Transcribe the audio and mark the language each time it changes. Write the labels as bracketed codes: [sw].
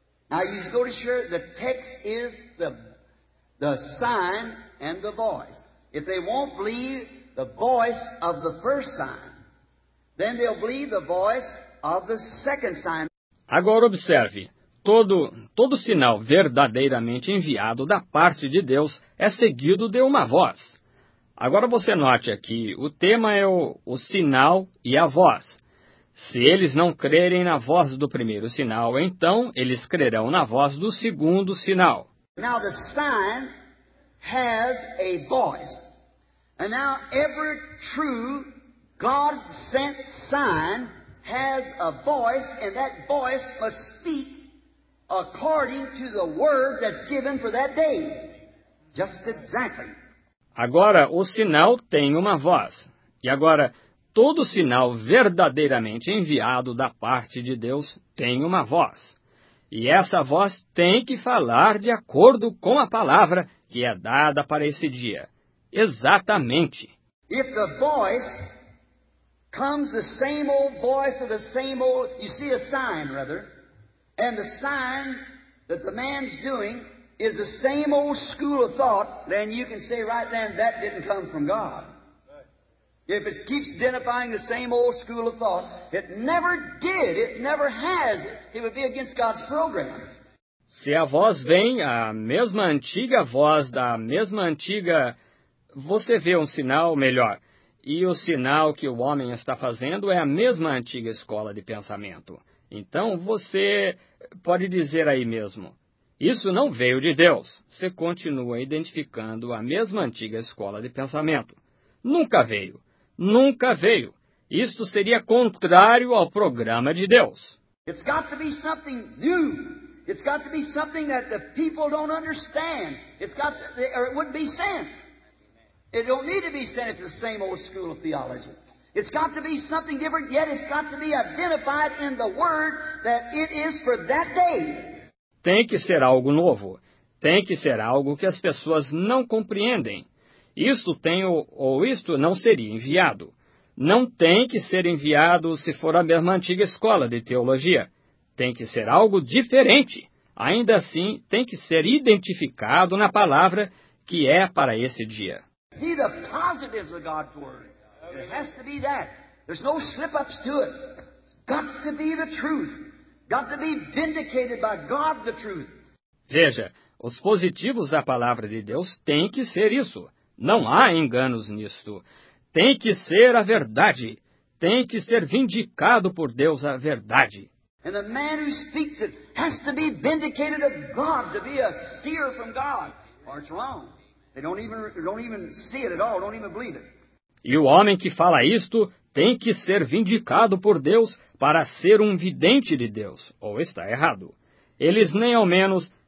[en] Now you go to share the text is the sign and the voice. If they won't believe the voice of the first sign, then they'll believe the voice of the second sign. [pt] Agora observe, todo sinal verdadeiramente enviado da parte de Deus é seguido de uma voz. Agora você note aqui, o tema é o sinal e a voz. Se eles não crerem na voz do primeiro sinal, então eles crerão na voz do segundo sinal. [en] Now the sign has a voice. And now every true God-sent sign has a voice, and that voice must speak according to the word that's given for that day. Just exactly. [pt] Agora, o sinal tem uma voz. E agora, todo sinal verdadeiramente enviado da parte de Deus tem uma voz. E essa voz tem que falar de acordo com a palavra que é dada para esse dia. Exatamente. [en] If the voice comes the same old voice of the same old, you see a sign, rather, and the sign that the man's doing is the same old school of thought, then you can say right then that didn't come from God. If it keeps identifying the same old school of thought, it never did, it never has, it would be against God's program. [pt] Se a voz vem, a mesma antiga voz da mesma antiga, você vê um sinal melhor. E o sinal que o homem está fazendo é a mesma antiga escola de pensamento. Então, você pode dizer aí mesmo, isso não veio de Deus. Você continua identificando a mesma antiga escola de pensamento. Nunca veio. Nunca veio. Isto seria contrário ao programa de Deus. [en] It's got to be something new. It's got to be something that the people don't understand. It's got to, or it wouldn't be sent. It don't need to be sent at the same old school of theology. It's got to be something different, yet it's got to be identified in the word that it is for that day. [pt] Tem que ser algo novo. Tem que ser algo que as pessoas não compreendem. Isto tem ou isto não seria enviado. Não tem que ser enviado se for a mesma antiga escola de teologia. Tem que ser algo diferente. Ainda assim, tem que ser identificado na palavra que é para esse dia. [en] See the positives of God's word. It has to be that. There's no slip-ups to it. It's got to be the truth. Got to be vindicated by God, the truth. [pt] Veja, os positivos da palavra de Deus têm que ser isso. Não há enganos nisto. Tem que ser a verdade. Tem que ser vindicado por Deus a verdade. [en] And the man who speaks it has to be vindicated of God, to be a seer from God. Or it's wrong. They don't even see it at all. Don't even believe it. [pt] E o homem que fala isto tem que ser vindicado por Deus para ser um vidente de Deus, ou está errado. Eles nem ao menos